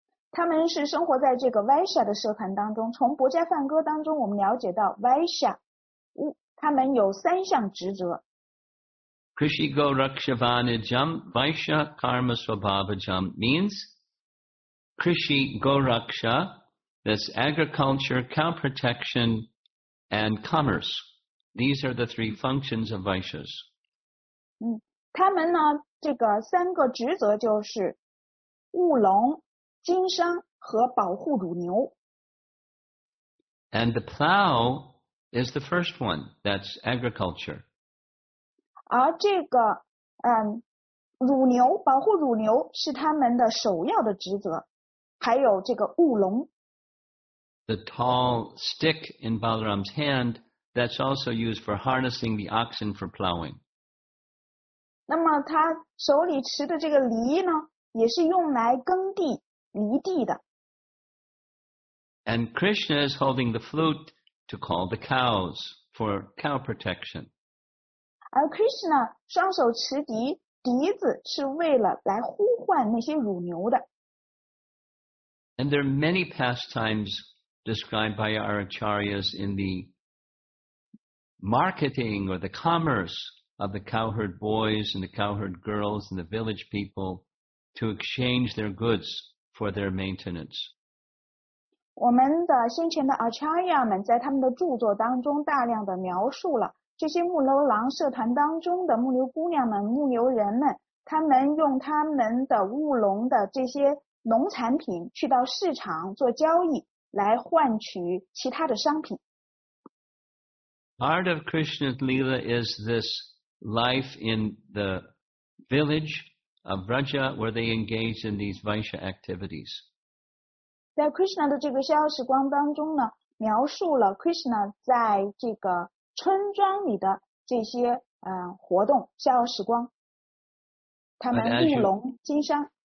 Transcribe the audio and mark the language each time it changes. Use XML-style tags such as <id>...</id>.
<zh>他们是生活在这个 Vaishya 的社团当中，从《薄伽梵歌》当中我们了解到 Vaishya 他们有三项职责。</zh> <sa>Krishigo Rakshavanijam Vaishya Karma Swabhavajam</sa> <en>means Krishigo Raksha, that's agriculture, cow protection and commerce. These are the three functions of Vaishyas.</en> <zh>他们呢这个三个职责就是务农、经商和保护乳牛。</zh> <en>And the plow is the first one. That's agriculture.</en> <zh>而这个乳牛保护乳牛是他们的首要的职责，还有这个务农。</zh> <en>The tall stick in Balaram's hand, that's also used for harnessing the oxen for plowing.</en> <zh>那么他手里持的这个犁呢，也是用来耕地、犁地的。</zh> <en>And Krishna is holding the flute to call the cows for cow protection.</en> <zh>而 Krishna 双手持笛。笛子是为了来呼唤那些乳牛的。</zh> <en>And there are many pastimes described by our acharyas in the marketing or the commerce of the cowherd boys and the cowherd girls and the village people to exchange their goods for their maintenance.</en> <zh>我们的先前的 acharya 们在他们的著作当中大量的描述了这些牧牛郎社团当中的牧牛姑娘们、牧牛人们，他们用他们的务农的这些农产品去到市场做交易，来换取其他的商品。</zh> <en>Part of Krishna's Leela is this life in the village of Vraja where they engage in these Vaishya activities.</en> <zh>在 Krishna 的这个逍遥时光当中呢，描述了 Krishna 在这个村庄里的这些活动逍遥时光，他们务农经商。</zh>